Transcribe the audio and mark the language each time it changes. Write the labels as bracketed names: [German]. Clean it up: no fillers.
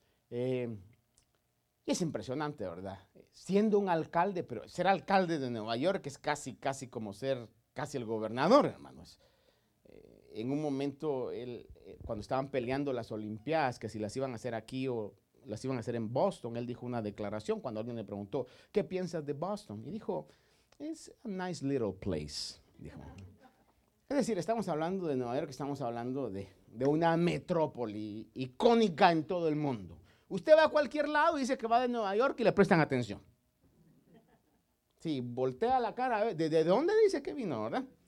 [Spanish] Y es impresionante, ¿verdad? Siendo un alcalde, pero ser alcalde de Nueva York es casi como ser casi el gobernador, hermano. En un momento, él, cuando estaban peleando las Olimpiadas, que si las iban a hacer aquí o las iban a hacer en Boston, él dijo una declaración cuando alguien le preguntó, ¿qué piensas de Boston? Y dijo, [English] it's a nice little place. [Spanish] Dijo. Es decir, estamos hablando de Nueva York, estamos hablando de una metrópoli icónica en todo el mundo. Usted va a cualquier lado y dice que va de Nueva York y le prestan atención. Sí, voltea la cara, ¿de dónde dice que vino, verdad?